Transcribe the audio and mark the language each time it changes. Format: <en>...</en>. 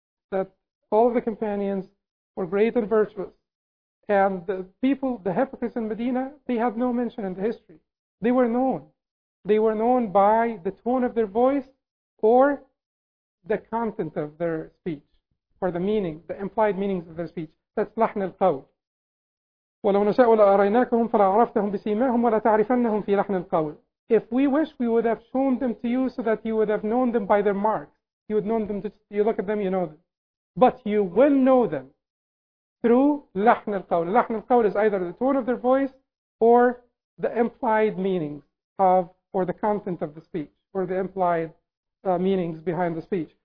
<en>That all of the companions were great and virtuous. And the people, the hypocrites in Medina, they had no mention in the history. They were known. They were known by the tone of their voice or the content of their speech, or the meaning, the implied meanings of their speech. That's lahn al-qawl.</en> <ar>ولو نشاء لأريناكهم فلا عرفتهم بسيماهم ولا تعرفنهم في لحن القول.</ar> <en>If we wish, we would have shown them to you so that you would have known them by their marks. You would know them, just, you look at them, you know them. But you will know them through لحن القول. لحن القول is either the tone of their voice or the implied meanings of, or the content of the speech, or the implied meanings behind the speech.</en>